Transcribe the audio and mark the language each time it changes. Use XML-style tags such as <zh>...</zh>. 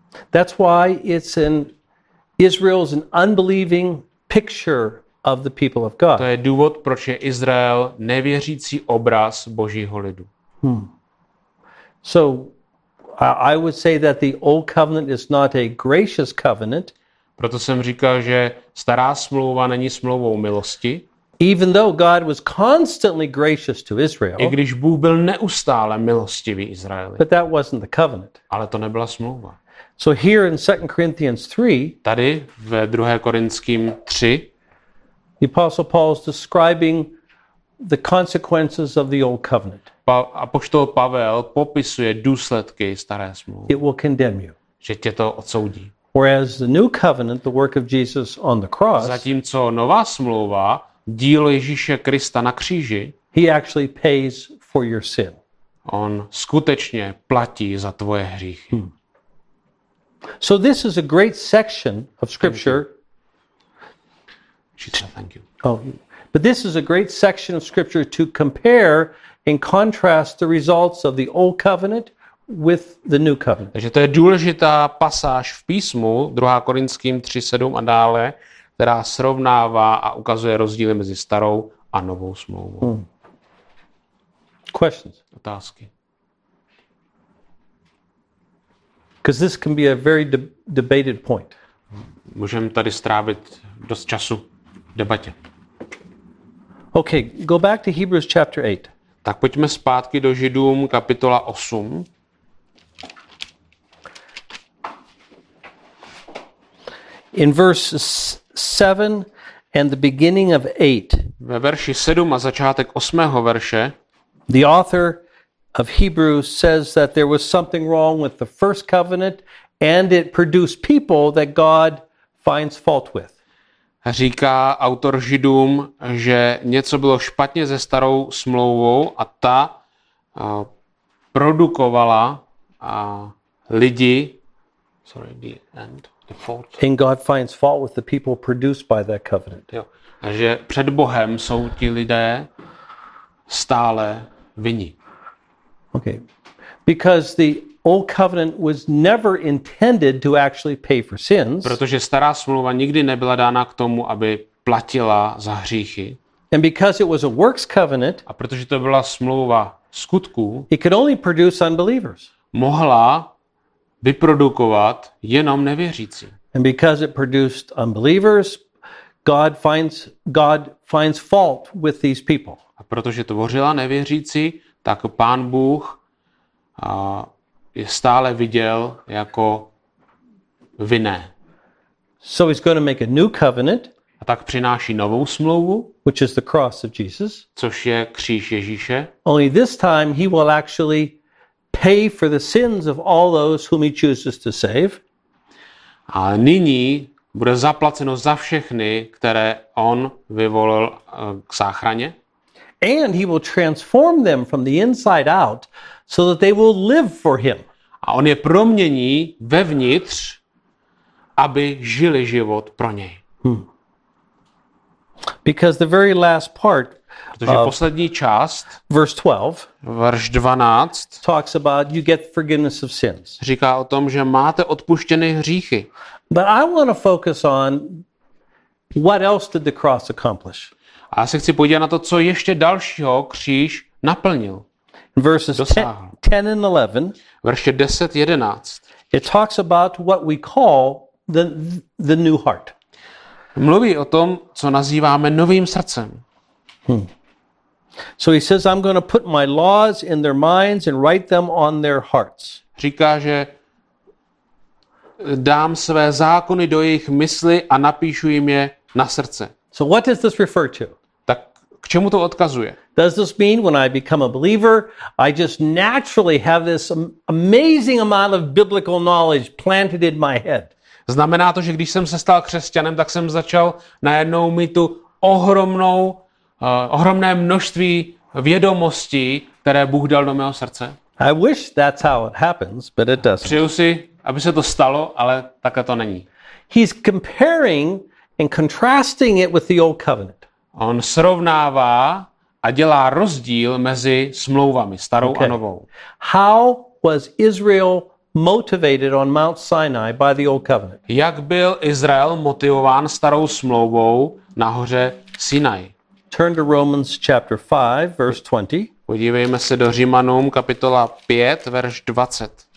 <en>That's why it's in Israel's an unbelieving picture of the people of God.</en> <cs>To je důvod, proč je Izrael nevěřící obraz Božího lidu.</cs> <en>So I would say that the old covenant is not a gracious covenant.</en> <cs>Proto jsem říkal, že stará smlouva není smlouvou milosti.</cs> <en>Even though God was constantly gracious to Israel.</en> <cs>I když Bůh byl neustále milostivý Izraeli.</cs> <en>But that wasn't the covenant.</en> <cs>Ale to nebyla smlouva.</cs> <en>So here in 2 Corinthians 3,</en> <cs>tady ve 2. Korinským 3,</cs> <en>the Apostle Paul is describing the consequences of the old covenant.</en> <cs>Apoštol Pavel popisuje důsledky staré smlouvy.</cs> <en>It will condemn you.</en> <cs>Že tě to odsoudí.</cs> <en>Whereas the new covenant, the work of Jesus on the cross,</en> <cs>zatímco nová smlouva, dílo Ježíše Krista na kříži,</cs> <en>he actually pays for your sin.</en> <cs>On skutečně platí za tvoje hříchy.</cs> <en>So this is a great section of scripture. Thank you. But this is a great section of scripture to compare and contrast the results of the old covenant with the new covenant.</en> <cs>Takže to je důležitá pasáž v písmu, 2. Korinským 3:7 a dále, která srovnává a ukazuje rozdíly mezi starou a novou smlouvou.</cs> <en>Questions.</en> <cs>Otázky.</cs> <en>Because this can be a very debated point.</en> <cs>Můžeme tady strávit dost času v debatě.</cs> <en>Okay, go back to Hebrews chapter 8.</en> <cs>Tak pojďme zpátky do Židům kapitola 8.</cs> <en>In verse 7 and the beginning of 8.</en> <cs>Ve verši 7 a začátek 8. verše.</cs> <en>The author of Hebrews says that there was something wrong with the first covenant and it produced people that God finds fault with.</en> <cs>Říká autor Židům, že něco bylo špatně se starou smlouvou a ta produkovala lidi.</cs> <en>Sorry, the end. And God finds fault with the people produced by that covenant.</en> <cs>A že před Bohem jsou ti lidé stále vinni.</cs> <en>Okay. Because the old covenant was never intended to actually pay for sins.</en> <cs>Protože stará smlouva nikdy nebyla dána k tomu, aby platila za hříchy.</cs> <en>And because it was a works covenant.</en> <cs>A protože to byla smlouva skutků.</cs> <en>It could only produce unbelievers.</en> <cs>Mohla vyprodukovat jenom nevěřící.</cs> <en>And because it produced unbelievers, God finds fault with these people.</en> <cs>A protože tvořila nevěřící, tak Pán Bůh je stále viděl jako vinné.</cs> <en>So he's going to make a new covenant.</en> <cs>A tak přináší novou smlouvu,</cs> <en>which is the cross of Jesus.</en> <cs>Což je kříž Ježíše.</cs> <en>Only this time he will actually pay for the sins of all those whom he chooses to save.</en> <cs>A nyní bude zaplaceno za všechny, které on vyvolil k záchraně.</cs> <en>And he will transform them from the inside out so that they will live for him.</en> <cs>A on je promění vevnitř, aby žili život pro něj.</cs> <en>Because the very last part,</en> <cs>protože poslední část,</cs> <en>verse 12,</en> <cs>verš 12,</cs> <en>talks about you get forgiveness of sins.</en> <cs>Říká o tom, že máte odpuštěné hříchy.</cs> <en>But I want to focus on what else did the cross accomplish.</en> <cs>A já se chci podívat na to, co ještě dalšího kříž naplnil.</cs> <en>Verses 10 and 11,</en> <cs>verše 10, 11,</cs> <en>it talks about what we call the new heart.</en> <cs>Mluví o tom, co nazýváme novým srdcem.</cs> <en>So he says, I'm going to put my laws in their minds and write them on their hearts.</en> <cs>Říká, že dám své zákony do jejich mysli a napíšu jim je na srdce.</cs> <en>So what does this refer to?</en> <cs>Tak k čemu to odkazuje?</cs> <en>Does this mean when I become a believer, I just naturally have this amazing amount of biblical knowledge planted in my head?</en> <cs>Znamená to, že když jsem se stal křesťanem, tak jsem začal najednou mít tu ohromné množství vědomosti, které Bůh dal do mého srdce.</cs> <en>I wish that's how it happens, but it doesn't.</en> <cs>Přeju si, aby se to stalo, ale takhle to není.</cs> <en>He's comparing and contrasting it with the old covenant.</en> <cs>On srovnává a dělá rozdíl mezi smlouvami starou a novou.</cs> <en>How was Israel motivated on Mount Sinai by the old covenant?</en> <cs>Jak byl Izrael motivován starou smlouvou na hoře Sinai?</cs> <en>Turn to Romans chapter 5 verse 20.</en> <cs>Podívejme se do Římanům kapitola 5 verš 20.</cs>